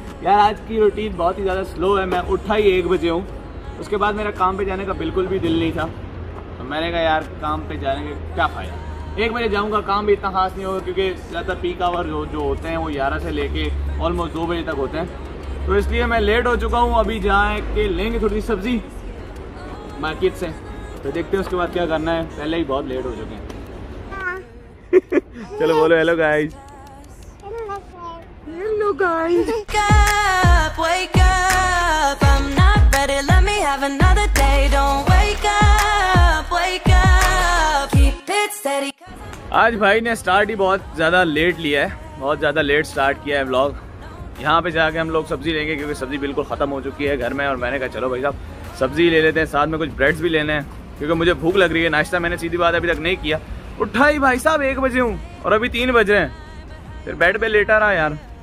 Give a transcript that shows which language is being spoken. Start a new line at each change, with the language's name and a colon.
Hindi: यार आज की रूटीन बहुत ही ज़्यादा स्लो है। मैं उठा ही 1 बजे हूँ, उसके बाद मेरा काम पे जाने का बिल्कुल भी दिल नहीं था, तो मैंने कहा यार काम पे जाने के क्या फ़ायदा, 1 बजे जाऊँगा, काम भी इतना खास नहीं होगा क्योंकि ज़्यादा पीक आवर जो होते हैं वो 11 से लेके ऑलमोस्ट 2 बजे तक होते हैं, तो इसलिए मैं लेट हो चुका हूँ। अभी जाए के लेंगे थोड़ी सब्ज़ी मार्केट से, तो देखते हैं उसके बाद क्या करना है, पहले ही बहुत लेट हो चुके हैं। चलो बोलो hello guys.
English: Hello guys, wake up, I'm not ready, let me have another day, don't wake up, keep it steady.
Hindi: आज भाई ने स्टार्ट ही बहुत ज्यादा लेट लिया है, बहुत ज्यादा लेट स्टार्ट किया है व्लॉग। यहाँ पे जाके हम लोग सब्जी लेंगे क्योंकि सब्जी बिल्कुल खत्म हो चुकी है घर में, और मैंने कहा चलो भाई साहब सब्जी ले लेते हैं, साथ में कुछ ब्रेड्स भी लेने हैं क्योंकि मुझे भूख लग रही है। नाश्ता मैंने सीधी बात अभी तक नहीं किया। उठा ही भाई साहब 1 बजे हूँ और अभी 3 बज रहे हैं, फिर बेड पे लेटा रहा यार।